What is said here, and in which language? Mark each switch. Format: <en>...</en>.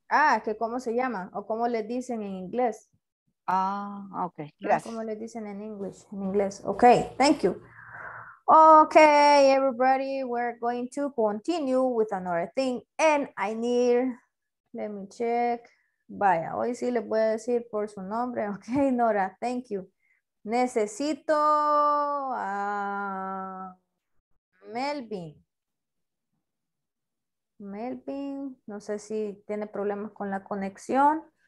<es>Ah, que cómo se llama o cómo le dicen en inglés. Ah, okay. Gracias. Como le dicen en English, en inglés.</es> <en>Okay, thank you. Okay, everybody, we're going to continue with another thing. And I need, let me check.</en> <es>Vaya, hoy sí le voy a decir por su nombre.</es> <en>Okay, Nora, thank you.</en> <es>Necesito a Melvin. Melvin, no sé si tiene problemas con la conexión.</es>